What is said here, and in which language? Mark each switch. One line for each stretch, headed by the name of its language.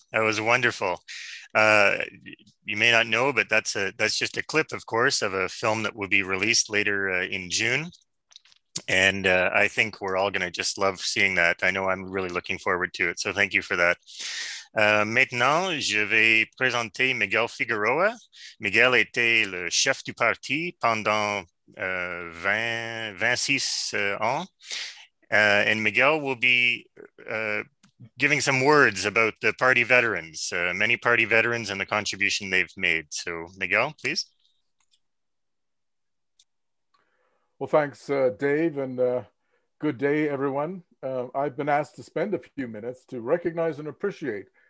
English: You may not know, but that's just a clip, of course, of a film that will be released later in June. And I think we're all going to just love seeing that. I know I'm really looking forward to it. So thank you for that.
French: Maintenant, je vais présenter Miguel Figueroa. Miguel était le chef du parti pendant 26 ans.
English: And Miguel will be giving some words about the party veterans, many party veterans and the contribution they've made. So Miguel, please. Well, thanks, Dave, and good day, everyone. I've been asked to spend a few minutes to recognize and appreciate